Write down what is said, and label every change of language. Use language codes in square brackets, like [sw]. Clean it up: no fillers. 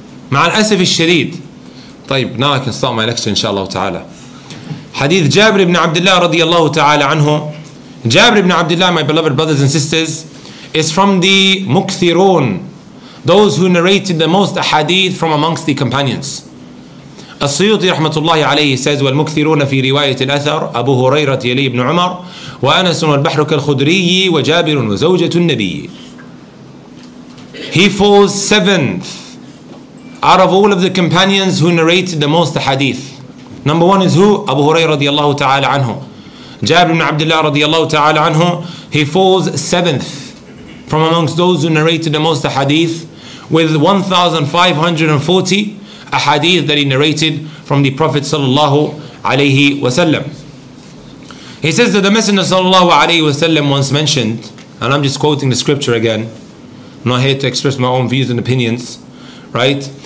[ar] Ma'al asif al-shadeed. [en] طيب, now I can start my lecture, inshallah ta'ala. Hadith Jabir ibn Abdullah radiyallahu ta'ala anhu. Jabir ibn Abdullah, my beloved brothers and sisters, is from the mukthirun, those who narrated the most hadith from amongst the companions. [ar] السيوطي رحمة الله عليه says, والمكثرون في رواية الأثر أبو هريرة يلي بن عمر وأنس والبحر كالخدري وجابر وزوجة النبي. [en] He falls seventh out of all of the companions who narrated the most hadith. Number one is who? Abu Hurairah رضي الله تعالى عنه. Jabir ibn Abdullah رضي الله تعالى عنه. He falls seventh from amongst those who narrated the most hadith with 1,540 a hadith that he narrated from the Prophet sallallahu alayhi wasallam. He says that the Messenger sallallahu alayhi wasallam once mentioned, and I'm just quoting the scripture again, I'm not here to express my own views and opinions, right?